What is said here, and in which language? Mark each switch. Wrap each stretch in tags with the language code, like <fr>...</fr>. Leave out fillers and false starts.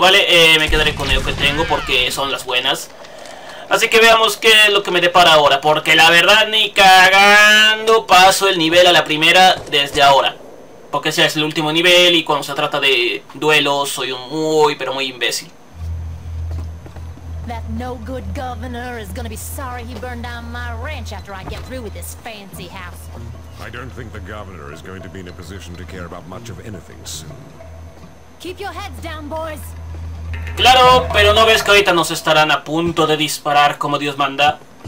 <es>Vale, me quedaré con lo que tengo porque son las buenas. Así que veamos qué es lo que me depara ahora. Porque la verdad, ni cagando paso el nivel a la primera desde ahora. Porque ese es el último nivel y cuando se trata de duelos soy un muy, pero muy imbécil.</es> <en>That no good governor is gonna be sorry he burned down my ranch after I get through with this fancy house. I don't think the governor is going to be in a position to care about much of anything soon. Keep your heads down, boys.</en> <es>Claro, pero no ves que ahorita nos estarán a punto de disparar como Dios manda.</es>